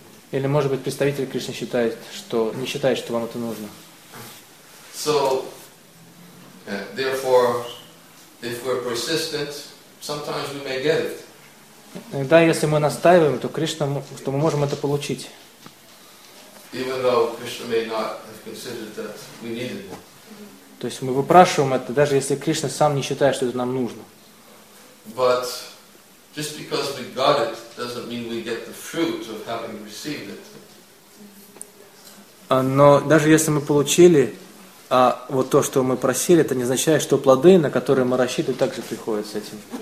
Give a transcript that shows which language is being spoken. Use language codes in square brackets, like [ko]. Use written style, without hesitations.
[ru] Или, может быть, представитель Кришны считает, что не считает, что вам это нужно. [en] So, therefore, if we're persistent, sometimes we may get it. [ru] Иногда, если мы настаиваем, то Кришна, что мы можем это получить. [en] Even though Krishna may not have considered that we needed it. [ru] То есть мы выпрашиваем это, даже если Кришна сам не считает, что это нам нужно. [en] But just because we got it doesn't mean we get the fruit of having received it. [ru] Но даже если мы получили вот то, что мы просили, это не означает, что плоды, на которые мы рассчитываем, также приходят с этим.